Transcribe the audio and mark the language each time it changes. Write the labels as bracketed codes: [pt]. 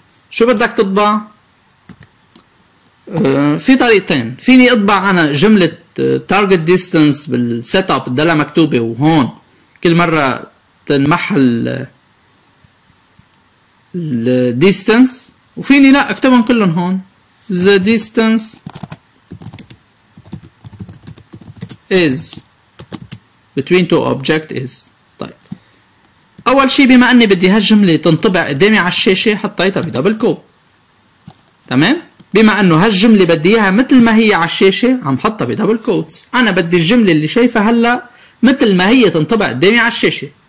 [ar] شو بدك تطبع؟ في طريقتين، فيني اطبع انا جملة target distance بالسيت اب الدالة مكتوبة وهون كل مرة تنمح ال distance، وفيني لا اكتبهم كلهم هون. [en] the distance is between two object is. [ar] طيب اول شي بما اني بدي هالجملة تنطبع قدامي على الشاشة حطيتها بدبل كوب، تمام؟ بما انه هالجملة بدي اياها مثل ما هي على الشاشة عم حطها بدبل كوتس. انا بدي الجملة اللي شايفها هلا مثل ما هي تنطبع قدامي على الشاشة.